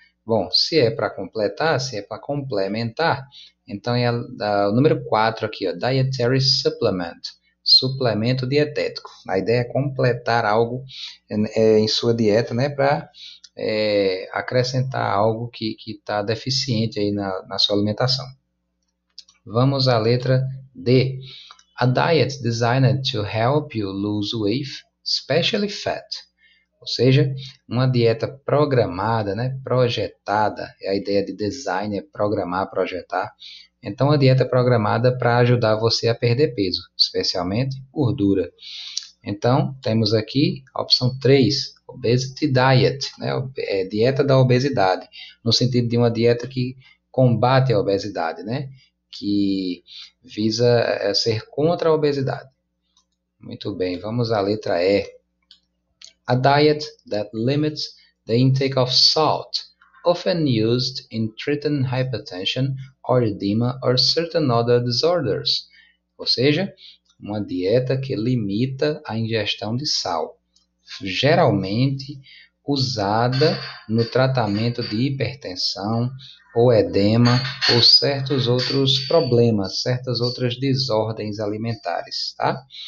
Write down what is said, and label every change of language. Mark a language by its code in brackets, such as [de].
[pt] Bom, se é para completar, se é para complementar, então é o número 4 aqui, ó, [en] dietary supplement, [pt] suplemento dietético. A ideia é completar algo em sua dieta, né, para acrescentar algo que está deficiente aí na sua alimentação. Vamos à letra D. [en] A diet designed to help you lose weight, especially fat. [pt] Ou seja, uma dieta programada, né, projetada, é a ideia de design, é programar, projetar. Então, a dieta programada para ajudar você a perder peso, especialmente gordura. Então, temos aqui a opção 3, obesity diet, né, é dieta da obesidade, no sentido de uma dieta que combate a obesidade, né, que visa ser contra a obesidade. Muito bem, vamos à letra E. [en] A diet that limits the intake of salt, often used in treating hypertension or edema or certain other disorders. [pt] Ou seja, uma dieta que limita a ingestão de sal, geralmente usada no tratamento de hipertensão ou edema ou certos outros problemas, certas outras desordens alimentares, tá?